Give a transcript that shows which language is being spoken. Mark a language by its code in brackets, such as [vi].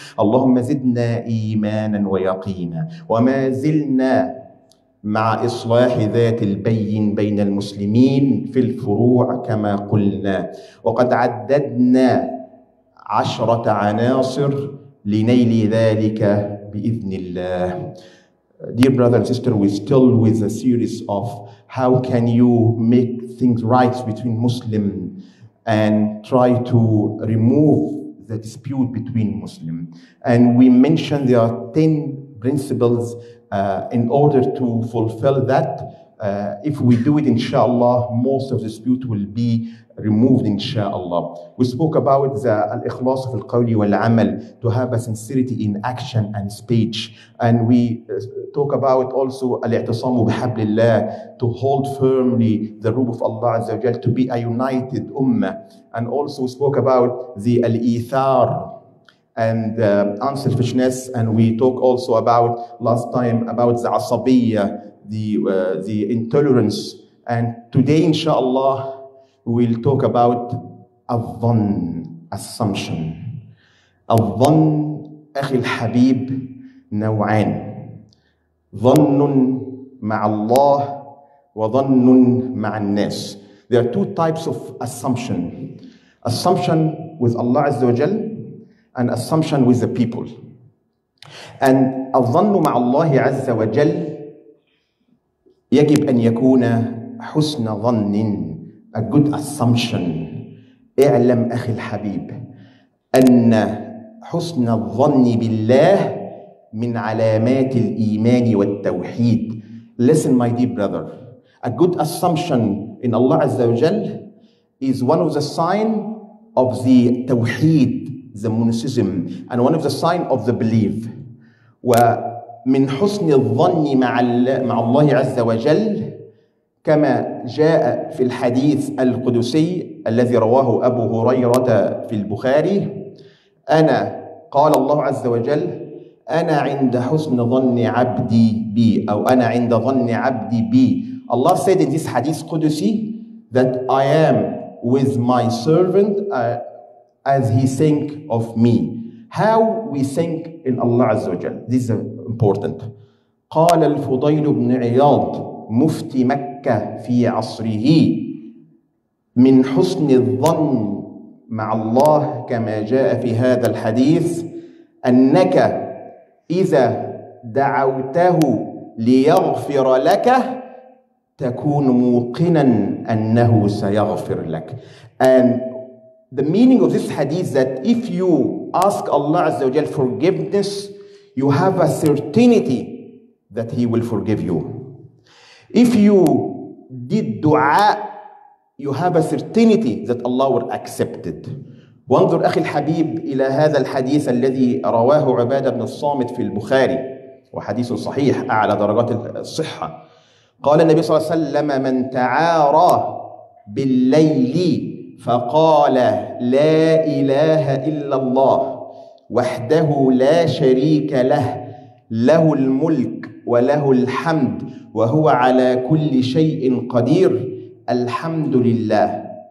[ar] اللهم زدنا إيمانا ويقينا، وما زلنا مع إصلاح ذات البين بين المسلمين في الفروع كما قلنا. وقد عددنا 10 عناصر لنيل ذلك بإذن الله. [en] Dear brother and sister, we still with a series of how can you make things right between Muslim and try to remove the dispute between Muslim. And we mentioned there are 10 principles in order to fulfill that. If we do it inshallah, most of the dispute will be removed inshallah. We spoke about the al-ikhlas of al-qawli wal-amal, to have a sincerity in action and speech. And we talk about also al-i'tisamu bihablillah, to hold firmly the rule of Allah Azza wa Jal, to be a united ummah. And also we spoke about the al-ithar and unselfishness, and we talk also about last time about the asabiyya, the intolerance. And today inshallah We'll talk about الظن, assumption. [ar] الظن أخي الحبيب نوعان, ظن مع الله وظن مع الناس. [en] There are two types of assumption. Assumption with Allah Azza wa Jal and assumption with the people. [ar] And الظن مع الله عز وجل يجب أن يكون حسن ظن, [en] a good assumption. [ar] اعلم أخي الحبيب أن حسن الظن بالله من علامات الإيمان والتوحيد. [en] Listen my dear brother, a good assumption in Allah عز وجل is one of the sign of the توحيد, the monotheism, and one of the sign of the belief. [ar] ومن حسن الظن مع الله عز وجل كما جاء في الحديث القدسي الذي رواه أبو هريرة في البخاري, أنا قال الله عز وجل أنا عند حسن ظن عبدي بي, أو أنا عند ظن عبدي بي. [en] Allah said in this hadith قدسي that I am with my servant as he think of me. How we think in Allah عز وجل, this is important. [ar] قال الفضيل بن عياض مفتي مكة في عصره من حسن الظن مع الله كما جاء في هذا الحديث أنك إذا دعوته ليغفر لك تكون موقنا أنه سيغفر لك. [en] And the meaning of this hadith that if you ask Allah Azza wa Jalla forgiveness, you have a certainty that He will forgive you. If you did dua, you have a certainty that Allah will accept it. [ar] وانظر أخي الحبيب إلى هذا الحديث الذي رواه عبادة بن الصامت في البخاري, وحديث صحيح أعلى درجات الصحة. قال النبي صلى الله عليه وسلم من تعارى بالليل فقال لا إله إلا الله وحده لا شريك له, له الملك وله الحمد وهو على كل شيء قدير, الحمد لله,